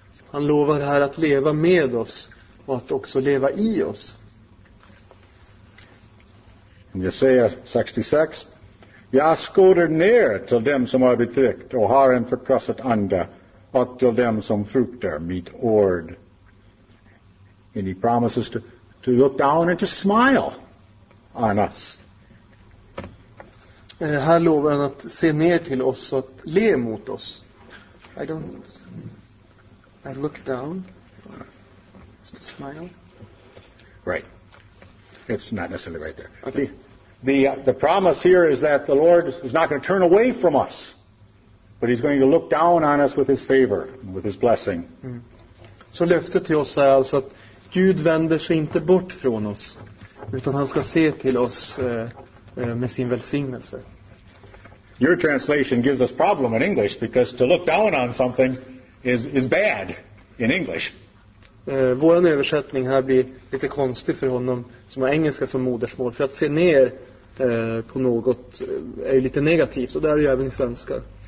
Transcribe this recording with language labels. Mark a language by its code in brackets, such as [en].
[sv] Han lovar här att leva med oss och att också leva i oss. In Jesaja 66. Jag skåder ner till dem som har betryckt och har en förkrossat ande, och till dem som fruktar mitt ord. [en] And he promises to look down and to smile on us. [sv] Här lovar han att se ner till oss och att le mot oss. [en] I look down, just to smile. Right. It's not necessarily right there. Okay. The promise here is that the Lord is not going to turn away from us, but he's going to look down on us with his favor, with his blessing. [sv] Så löftet till oss är alltså att Gud vänder sig inte bort från oss, utan han ska se till oss med sin välsignelse. [en] Your translation gives us problem in English, because to look down on something is bad in English. [sv] Vår översättning här blir lite konstig för honom som har engelska som modersmål, för att se ner på något är ju lite negativt, och det är ju även i svenska.